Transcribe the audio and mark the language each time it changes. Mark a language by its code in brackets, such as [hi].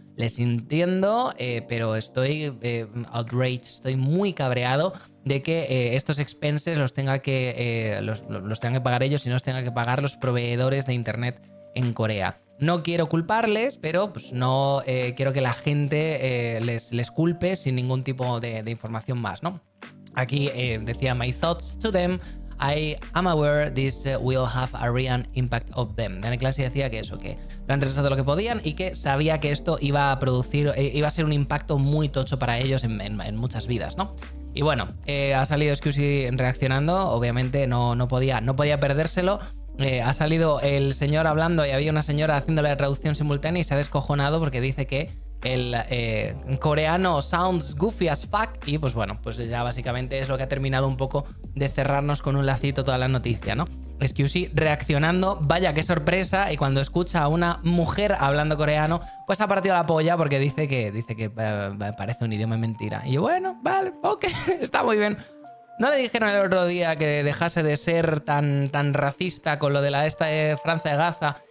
[es] Les entiendo, pero estoy outraged, estoy muy cabreado de que estos expenses los tenga que pagar ellos y no los tenga que pagar los proveedores de internet en Corea. No quiero culparles, pero pues, no quiero que la gente les culpe sin ningún tipo de información más, ¿no? Aquí decía, [en] my thoughts to them, I am aware this will have a real impact of them. [es] Danny Clancy decía que eso, que lo han retrasado lo que podían y que sabía que esto iba a producir, iba a ser un impacto muy tocho para ellos en muchas vidas, ¿no? Y bueno, ha salido Scusi reaccionando, obviamente no podía perdérselo. Ha salido el señor hablando y había una señora haciéndole la traducción simultánea y se ha descojonado porque dice que el coreano [en] sounds goofy as fuck. [es] Y pues bueno, pues ya básicamente es lo que ha terminado un poco de cerrarnos con un lacito toda la noticia, ¿no? Excuse reaccionando, vaya qué sorpresa, y cuando escucha a una mujer hablando coreano, pues ha partido la polla porque dice que parece un idioma mentira. Y yo, bueno, vale, ok, está muy bien. ¿No le dijeron el otro día que dejase de ser tan, tan racista con lo de la esta de Franza de Gaza?